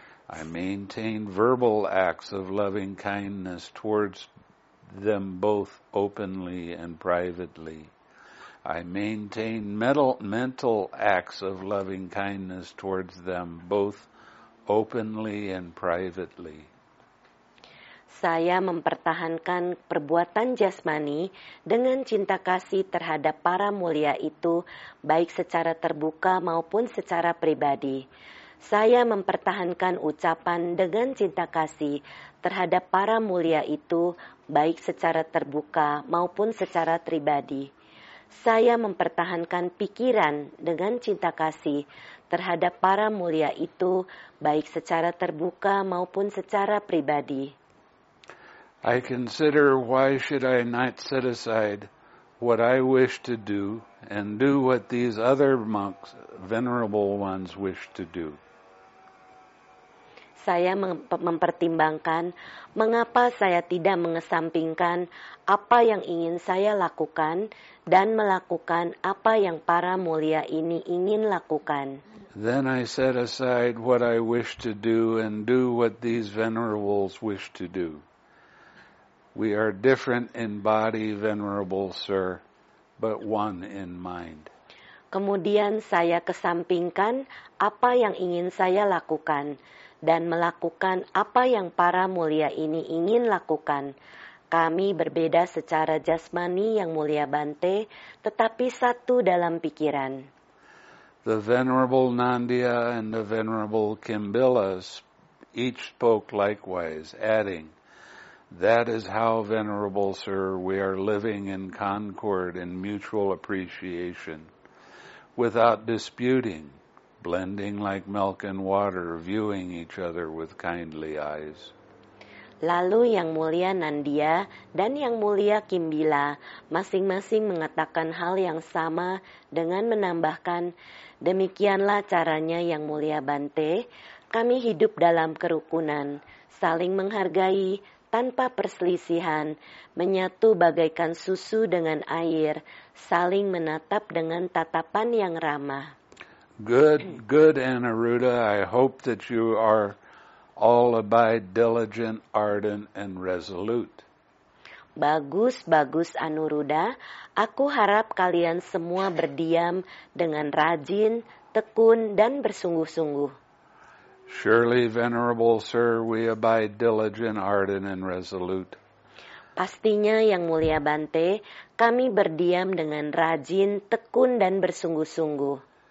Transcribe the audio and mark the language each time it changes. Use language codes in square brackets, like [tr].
[en] I maintain verbal acts of loving kindness towards them both openly and privately. I maintain mental acts of loving kindness towards them both openly and privately. [id] Saya mempertahankan perbuatan jasmani dengan cinta kasih terhadap para mulia itu, baik secara terbuka maupun secara pribadi. Saya mempertahankan ucapan dengan cinta kasih terhadap para mulia itu, baik secara terbuka maupun secara pribadi. Saya mempertahankan pikiran dengan cinta kasih terhadap para mulia itu, baik secara terbuka maupun secara pribadi. [en] I consider why should I not set aside what I wish to do and do what these other monks, venerable ones, wish to do. [id] Saya mempertimbangkan mengapa saya tidak mengesampingkan apa yang ingin saya lakukan dan melakukan apa yang para mulia ini ingin lakukan. [en] Then I set aside what I wish to do and do what these venerables wish to do. We are different in body, venerable sir, but one in mind. [id] Kemudian saya kesampingkan apa yang ingin saya lakukan dan melakukan apa yang para mulia ini ingin lakukan. Kami berbeda secara jasmani yang mulia Bante, tetapi satu dalam pikiran. [en] The venerable Nandiya and the venerable Kimbila each spoke likewise, adding, "That is how, venerable sir, we are living in concord and mutual appreciation, without disputing, blending like milk and water, viewing each other with kindly eyes." [id] Lalu yang mulia Nandiya dan yang mulia Kimbila masing-masing mengatakan hal yang sama dengan menambahkan, "Demikianlah caranya yang mulia Bante, kami hidup dalam kerukunan, saling menghargai, tanpa perselisihan, menyatu bagaikan susu dengan air, saling menatap dengan tatapan yang ramah." [en] Good, Anuruddha, I hope that you are all abide diligent, ardent, and resolute. [id] Bagus, Anuruddha, aku harap kalian semua berdiam dengan rajin, tekun, dan bersungguh-sungguh. [en] Surely, venerable sir, we abide diligent, ardent, and resolute. [id] Pastinya, yang mulia Bante, kami berdiam dengan rajin, tekun, dan bersungguh-sungguh.